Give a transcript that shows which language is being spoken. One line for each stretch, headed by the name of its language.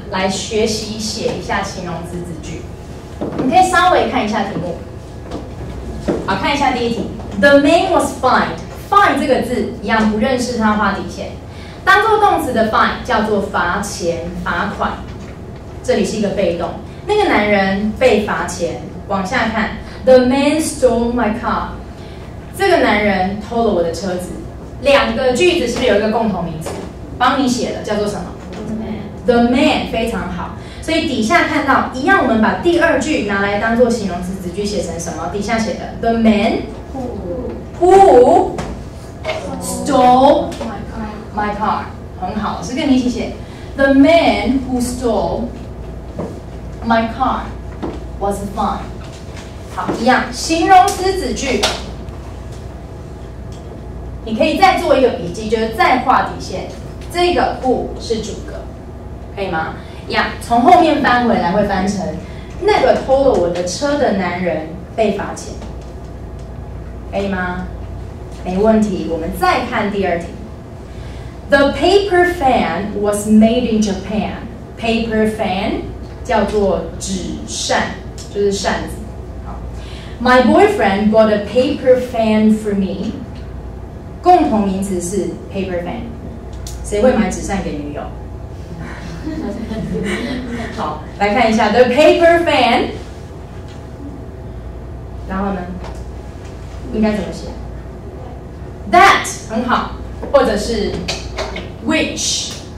Chinese: 来学习写一下形容词子句。你可以稍微看一下题目。好，看一下第一题。
English: The man was fined.
Chinese: Fine 这个字一样不认识它画底线。当做动词的 fine 叫做罚钱、罚款。这里是一个被动，那个男人被罚钱。往下看
English: ，The man stole my car.
Chinese: 这个男人偷了我的车子。两个句子是不是有一个共同名词？帮你写的叫做什么
English: ？The man.
Chinese: The man 非常好。所以底下看到一样，我们把第二句拿来当做形容词子句写成什么？底下写的 The man
English: who stole my car.
Chinese: 很好，是跟你一起写
English: The man who stole my car was fine.
Chinese: 好，一样形容词子句。你可以再做一个笔记，就是再画底线。这个 who 是主格，可以吗？一样，从后面翻回来会翻成那个偷了我的车的男人被罚钱，可以吗？没问题。我们再看第二题。
English: The paper fan was made in Japan.
Chinese: Paper fan 叫做纸扇，就是扇子。
English: My boyfriend bought a paper fan for me.
Chinese: 共同名词是 paper fan。谁会买纸扇给女友？好，来看一下 the paper fan， 然后呢，应该怎么写 ？That 很好，或者是 which？